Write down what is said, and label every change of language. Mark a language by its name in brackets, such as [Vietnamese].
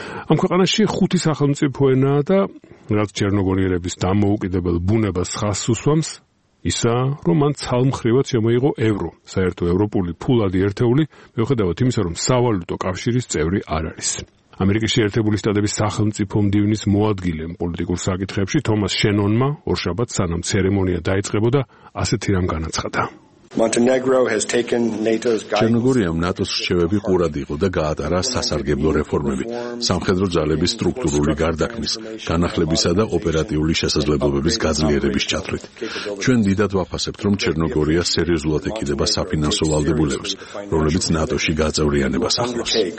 [Georgian] ამ ქვეყანაში 5 სახელმწიფო ენაა და რაც ჩერნოგორიელების დამოუკიდებელ ბუნებას ხაზს უსვამს, ისა, რომ მან ცალმხრივად შემოიღო ევრო, საერთო ევროპული ფულადი ერთეული, მიუხედავად იმისა, რომ სავალუტო კავშირის წევრი არ არის. ამერიკის შეერთებული შტატების სახელმწიფო მდივნის მოადგილემ პოლიტიკურ საკითხებში თომას შენონმა ორშაბათ, სანამ ცერემონია დაიწყებოდა, ასეთი რამ განაცხადა. [English] Montenegro has taken NATO's guidance. [Georgian] ჩერნოგორიამ ნატოს რჩევები ყურად იყო და გაატარა სასარგებლო რეფორმები, სამხედრო ძალების სტრუქტურული გარდაქმნის, განახლებისა და ოპერატიული შესაძლებლობების გაძლიერების ჩათვლით. ჩვენ დიდად ვაფასებთ, რომ ჩერნოგორია სერიოზულად ეკიდება საფინანსო ვალდებულებებს, რომლებიც ნატოში გაწევრიანებას ახლავს.